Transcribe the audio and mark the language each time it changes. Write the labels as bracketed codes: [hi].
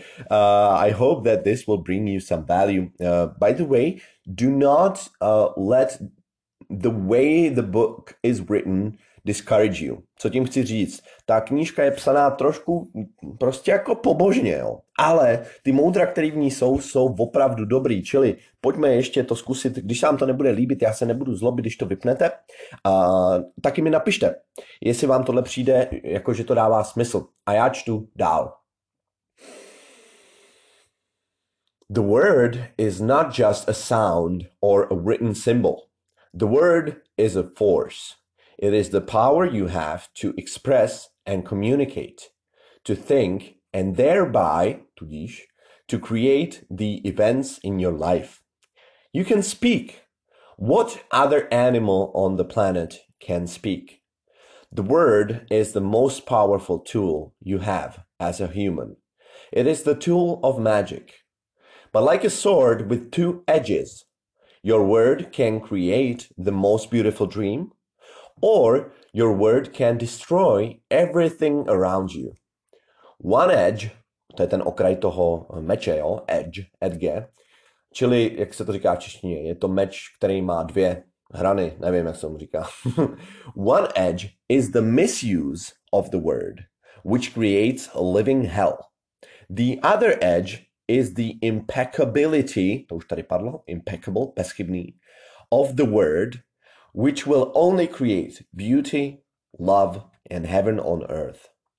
[en] I hope that this will bring you some value. By the way, do not let the way the book is written discourage you. [cs] Co tím chci říct? Ta knížka je psaná trošku prostě jako pobožně, jo? Ale ty moudra, které v ní jsou, jsou opravdu dobrý. Čili pojďme ještě to zkusit. Když se vám to nebude líbit, já se nebudu zlobit, když to vypnete. Taky mi napište, jestli vám tohle přijde, jako že to dává smysl. A já čtu dál. [en] The word is not just a sound or a written symbol. The word is a force. It is the power you have to express and communicate, to think, and thereby, [cs] tudíž, [en] to create the events in your life. You can speak. What other animal on the planet can speak? The word is the most powerful tool you have as a human. It is the tool of magic. But like a sword with two edges, your word can create the most beautiful dream, or your word can destroy everything around you. One edge, [cs] to je ten okraj toho meče, jo? [en] Edge, edge, [cs] Čili, jak se to říká v češtině, je to meč, který má dvě hrany. Nevím, jak se mu říká. [en] One edge is the misuse of the word, which creates a living hell. The other edge is the impeccability, [cs] to už tady padlo, [en] impeccable, [cs] bezchybný, [en] of the word, which will only create beauty, love, and heaven on earth.